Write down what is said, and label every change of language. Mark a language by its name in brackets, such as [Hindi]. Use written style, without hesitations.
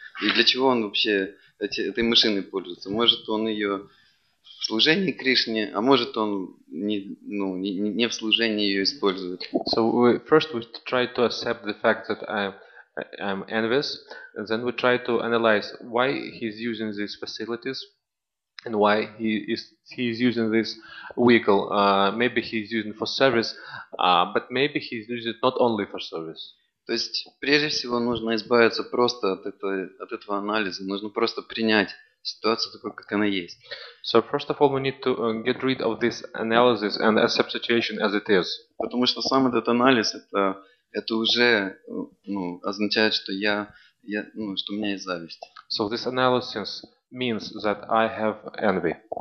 [Russian] И для чего он вообще этой машиной пользуется? Может, он ее в служении Кришне, а может, он не в служении ее использует. [English] So we first we try to accept the fact that I'm envious, and then we try to analyze why he's using these facilities and why he is using this vehicle. Maybe he's using it for service, but maybe he's using it not only for service. [Russian] То есть, прежде всего, нужно избавиться просто от этого анализа. Нужно просто принять ситуацию такой, как она есть. [English] So, first of all, we need to get rid of this analysis and accept situation as it is. [Russian] Потому что сам этот анализ, это уже означает, что что у меня есть зависть. [English] So, this analysis means that I have envy.